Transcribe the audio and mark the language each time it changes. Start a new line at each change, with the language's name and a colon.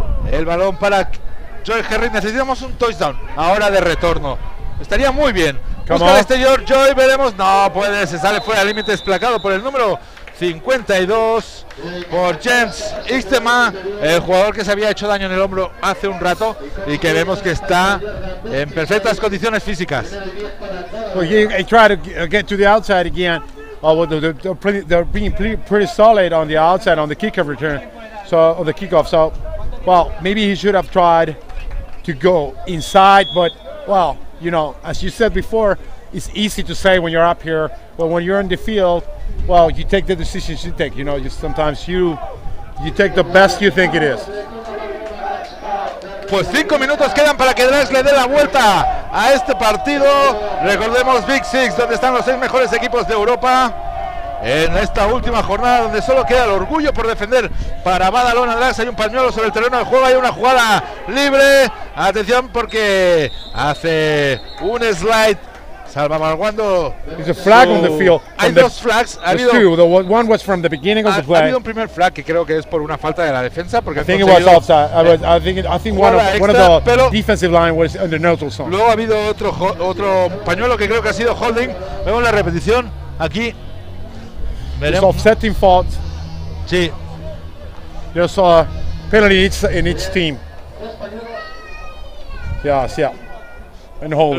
Spanish: El balón para Joy Henry. Necesitamos un touchdown ahora de retorno. Estaría muy bien. Come busca on. El exterior, Joy, veremos. No puede, se sale fuera del límite, desplazado por el número 52 por James Istema, el jugador que se había hecho daño en el hombro hace un rato y que vemos que está en perfectas condiciones físicas.
English: Well, he tried to get to the outside again. Oh, well, they're being pretty solid on the outside on the kickoff return. So on the kickoff. So, well, maybe he should have tried to go inside. But well, you know, as you said before, it's easy to say when you're up here, but when you're in the field. Well, you take the decisions you take, you know, just sometimes you take the best you think it is.
Spanish: Pues 5 minutos quedan para que Drax le dé la vuelta a este partido. Recordemos Big Six, donde están los 6 mejores equipos de Europa. En esta última jornada, donde solo queda el orgullo por defender para Badalona, Drax, hay un pañuelo sobre el terreno de juego, hay una jugada libre. Atención, porque hace un slide. Salvaguardando.
English: There's a flag on the field.
Spanish: Hay dos flags.
English: One was from the beginning of the play.
Spanish: Ha habido un primer flag que creo que es por una falta de la defensa, porque
English: I think it was offside. I think one of the defensive line was under neutral zone.
Spanish: Luego ha habido otro pañuelo que creo que ha sido holding. Vemos la repetición aquí.
English: It's offsetting fault.
Spanish: Sí.
English: There's a penalty in each team. Yes, yeah. And hold.